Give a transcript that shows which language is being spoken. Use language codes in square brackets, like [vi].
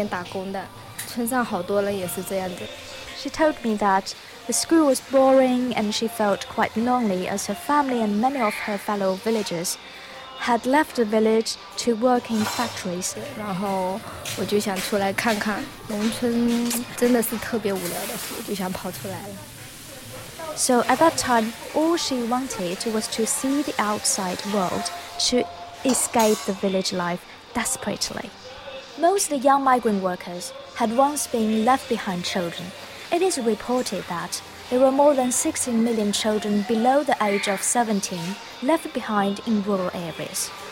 [zh] 反正就是待在学校里就是很无聊嘛，就是自己一个人也感觉到很孤单。那时候我家里面的人都是在外面打工的，村上好多人也是这样子。 [en] She told me that the school was boring and she felt quite lonely as her family and many of her fellow villagers had left the village to work in factories. [zh] 然后我就想出来看看，农村真的是特别无聊的，我就想跑出来了。 [en] So at that time, all she wanted was to see the outside world, to escape the village life desperately. Most of the young migrant workers had once been left behind children. It is reported that there were more than 16 million children below the age of 17 left behind in rural areas.